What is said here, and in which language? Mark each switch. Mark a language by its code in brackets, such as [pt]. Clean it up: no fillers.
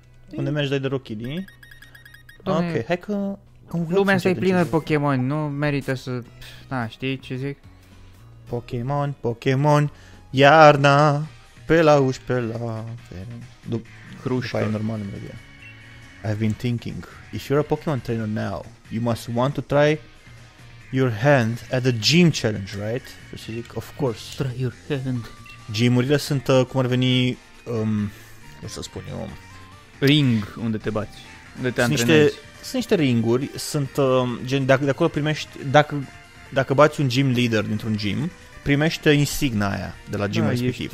[ro] Unde mergi, dai de Rookidee. Ok, hai că... Lumea asta e plină de Pokémon, nu merită să... Da, știi ce zic? Pokémon, iarna, pe la uși, pe la... Crușcă. După aia normal, nu-mi vedea. [en] I've been thinking, if you're a Pokémon trainer now, you must want to try... Your hand at the gym challenge, right? [ro] Să zic, [en] of course. Try your hand. [ro] Gymurile sunt, cum ar veni, cum să spun eu, ring unde te bați, unde te antrenezi. Sunt niște ringuri, sunt, gen, dacă de acolo primești, dacă bați un gym leader dintr-un gym, primește insignia aia de la gym respectiv.